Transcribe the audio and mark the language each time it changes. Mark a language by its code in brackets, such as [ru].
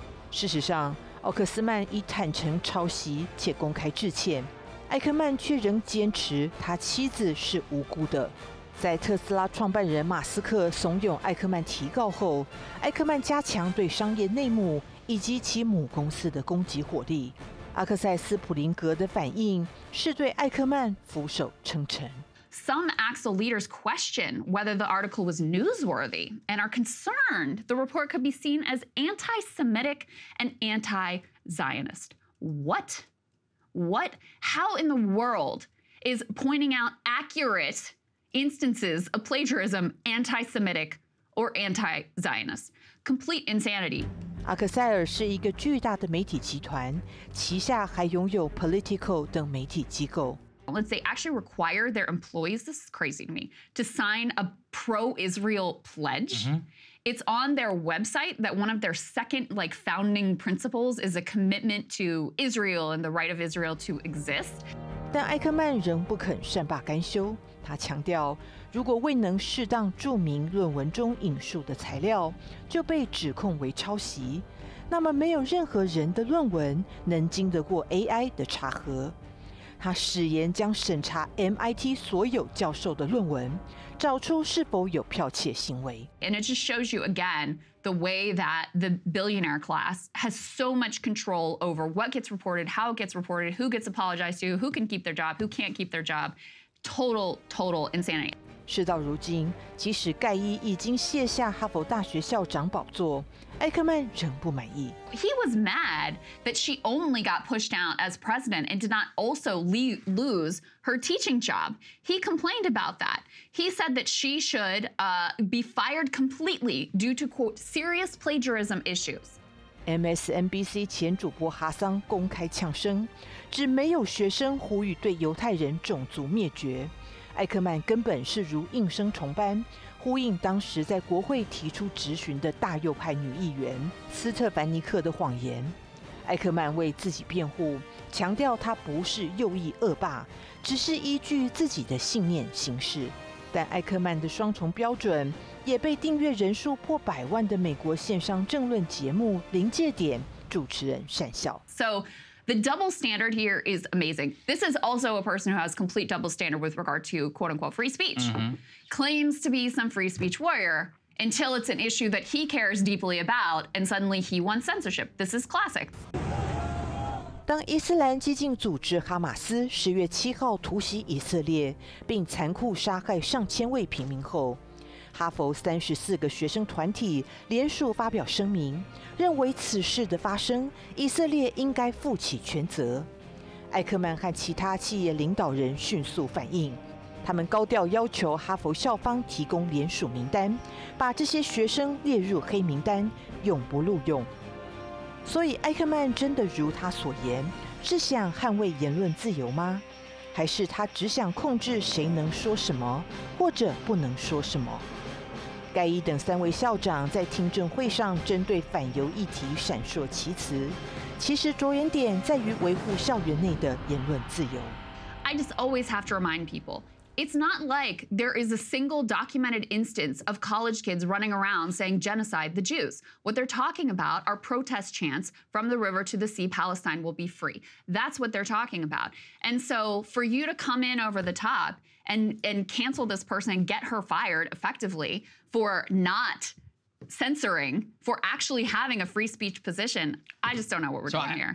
[zh] 事实上，奥克斯曼已坦诚抄袭且公开致歉，艾克曼却仍坚持他妻子是无辜的。在特斯拉创办人马斯克怂恿艾克曼提告后，艾克曼加强对商业内幕以及其母公司的攻击火力。阿克塞斯普林格的反应是对艾克曼俯首称臣。 [en] Some Axel leaders question whether the article was newsworthy and are concerned the report could be seen as anti-Semitic and anti-Zionist. What? What? How in the world is pointing out accurate? Instances of plagiarism, anti-Semitic or anti-Zionist, complete insanity. [zh] 阿克塞尔是一个巨大的媒体集团，旗下还拥有 Politico 等媒体机构。 [en] Let's say actually require their employees. This is crazy to me to sign a pro-Israel pledge. It's on their website that one of their second like founding principles is a commitment to Israel and the right of Israel to exist. [zh] 但艾克曼仍不肯善罢甘休。他强调，如果未能适当注明论文中引述的材料，就被指控为抄袭，那么没有任何人的论文能经得过 AI 的查核。他誓言将审查 MIT 所有教授的论文，找出是否有剽窃行为。 [en] And it just shows you again the way that the billionaire class has so much control over what gets reported, how it gets reported, who gets apologized to, who can keep their job, who can't keep their job. Total insanity. [zh] 事到如今，即使盖伊已经卸下哈佛大学校长宝座，埃克曼仍不满意。 [en] He was mad that she only got pushed out as president and did not also lose her teaching job. He complained about that. He said that she should be fired completely due to quote serious plagiarism issues. [zh] MSNBC 前主播哈桑公开呛声，指没有学生呼吁对犹太人种族灭绝。艾克曼根本是如应声虫般，呼应当时在国会提出质询的大右派女议员斯特凡尼克的谎言。艾克曼为自己辩护，强调她不是右翼恶霸，只是依据自己的信念行事。但艾克曼的双重标准也被订阅人数破百万的美国线上政论节目《临界点》主持人讪笑。 [en] So,The double standard here is amazing. This is also a person who has complete double standard with regard to quote unquote free speech. Mm-hmm. Claims to be some free speech warrior until it's an issue that he cares deeply about and suddenly he wants censorship. This is classic. [zh] 当伊斯兰激进组织哈马斯十月七号突袭以色列并残酷杀害上千位平民后，哈佛三十四个学生团体联署发表声明，认为此事的发生，以色列应该负起全责。艾克曼和其他企业领导人迅速反应，他们高调要求哈佛校方提供联署名单，把这些学生列入黑名单，永不录用。所以，艾克曼真的如他所言，是想捍卫言论自由吗？还是他只想控制谁能说什么，或者不能说什么？盖伊等三位校长在听证会上针对反犹议题闪烁其词，其实着眼点在于维护校园内的言论自由。 [en] I just always have to remind people, it's not like there is a single documented instance of college kids running around saying genocide the Jews. What they're talking about are protest chants from the river to the sea, Palestine will be free. That's what they're talking about. And so for you to come in over the top and cancel this person and get her fired effectively,For not censoring, for actually having a free speech position, I just don't know what we're doing here.